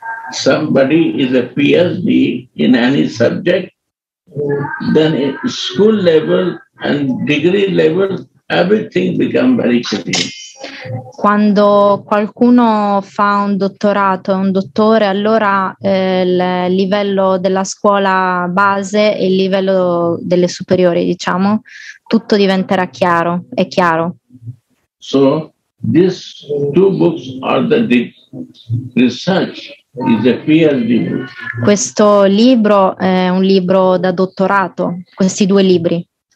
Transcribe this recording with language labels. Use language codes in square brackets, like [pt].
[en] Somebody is a PhD in any subject, then school level and degree level, everything become very clear. [it] Quando qualcuno fa un dottorato, un dottore, allora il livello della scuola base e il livello delle superiori, diciamo, tutto diventerà chiaro, è chiaro. [en] So, these two books are the research is a PhD. [it] Questo libro è un libro da dottorato, questi due libri.